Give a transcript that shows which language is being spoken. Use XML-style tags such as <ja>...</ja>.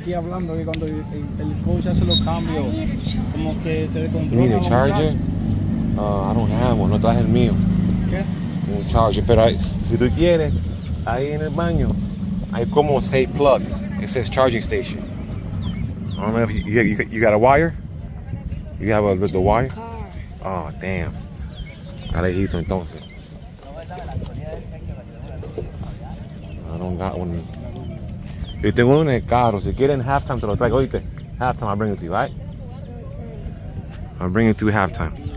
<es>Aquí hablando que cuando el coach hace los cambios, como que se descontrola.</es> <en>You need a charger? I don't have one.</en> <es>No traje el mío. ¿Qué? Un charger. Pero si tú quieres, ahí en el baño hay como 6 plugs.</es> <en>It says charging station. I don't know if you got a wire? You have the wire? Oh, damn.</en> <es>Carajito, entonces.</es> <en>I don't got one.</en> <es>Yo tengo uno en el carro. Si quieren, halftime te lo traigo. Oíste.</es> <en>Halftime, I'll bring it to you, right? I'll bring it to halftime.</en>